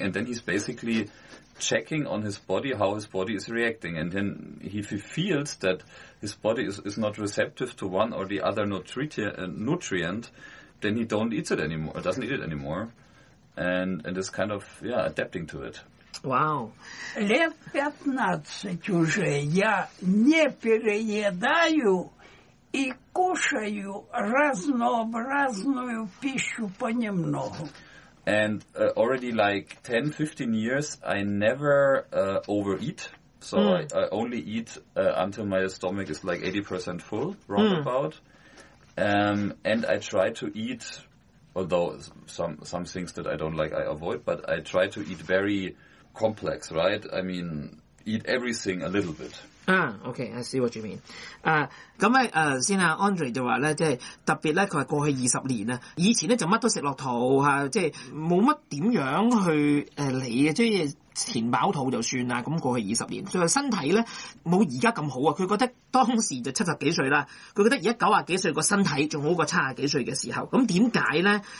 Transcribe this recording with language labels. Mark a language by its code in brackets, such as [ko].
[en] And then he's basically checking on his body, how his body is reacting. And then if he feels that his body is not receptive to one or the other nutrient, then he don't eat it anymore, doesn't eat it anymore. And is kind of, yeah, adapting to it. Wow. [ru] Лет 15 уже я не переедаю и кушаю разнообразную пищу понемногу. [en] And already like 10, 15 years, I never overeat. So I only eat until my stomach is like 80% full, roundabout. And I try to eat, although some things that I don't like, I avoid, but I try to eat very complex, right? I mean, eat everything a little bit. Okay, I see what you mean. [yue] 咁先啊 ，Andre 就话咧，即系特别咧，佢系过去20年啊，以前咧就乜都食落肚吓，即系冇乜点样去理嘅，即系填饱肚就算啦。咁过去20年，佢话身体咧冇而家咁好啊。佢觉得当时就70几岁啦，佢觉得而家90几岁个身体仲好过70几岁嘅时候。咁点解咧？